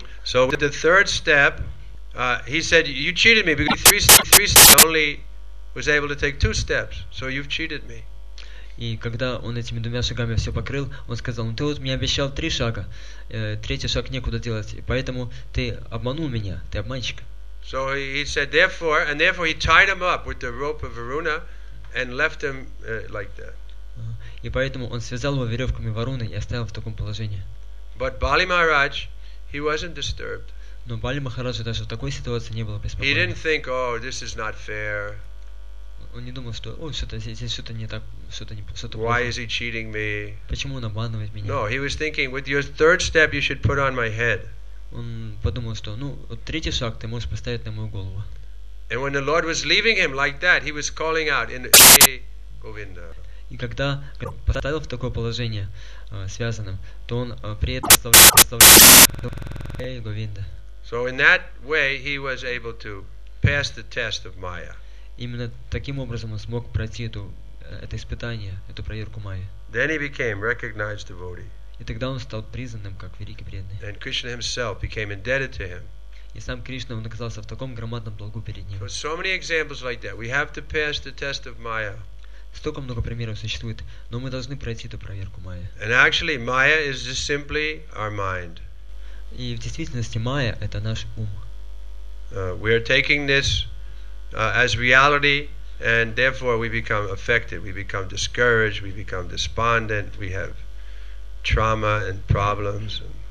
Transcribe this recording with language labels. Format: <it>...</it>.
<en>So with the third step, he said, "You cheated me because three steps only was able to take two steps. So you've cheated me."</en> <ru>И когда он этими двумя шагами все покрыл, он сказал, ну ты вот мне обещал три шага, третий шаг некуда делать, поэтому ты обманул меня, ты обманщик.</ru> <en>So he said, therefore he tied him up with the rope of Varuna and left him like that.</en> <ru>И поэтому он связал его веревками Варуны и оставил в таком положении.</ru> <en>But Bali Maharaj, he wasn't disturbed.</en> <ru>Но Бали Махараджа даже в такой ситуации не было беспокоен.</ru> <en>He didn't think, oh, this is not fair.</en> <ru>Он не думал, что, ой, что-то здесь что-то не так, что-то не, что-то.</ru> <en>Why is he cheating me?</en> <ru>Почему он обманывает меня?</ru> <en>No, he was thinking, with your third step, you should put on my head.</en> <ru>Он подумал, что, ну, вот третий шаг ты можешь поставить на мою голову.</ru> <en>And when the Lord was leaving him like that, he was calling out in Hey Govinda.</en> <ru>И когда поставил в такое положение связанным, то он при этом славился Hey Govinda.</ru> <en>So in that way, he was able to pass the test of Maya.</en> <ru>Именно таким образом он смог пройти это испытание, эту проверку Майи.</ru> <en>Then he became recognized devotee.</en> <ru>И тогда он стал признанным как великий преданный.</ru> <en>And Krishna himself became indebted to him.</en> <ru>И сам Кришна, он оказался в таком громадном долгу перед ним.</ru> <en>So many examples like that. We have to pass the test of Maya.</en> <ru>Столько много примеров существует, но мы должны пройти эту проверку Майи.</ru> <en>And actually, Maya is just simply our mind.</en> <ru>И в действительности Майя — это наш ум.</ru> <en>We are taking this as reality, and therefore we become affected, we become discouraged, we become despondent, we have trauma and problems.</en>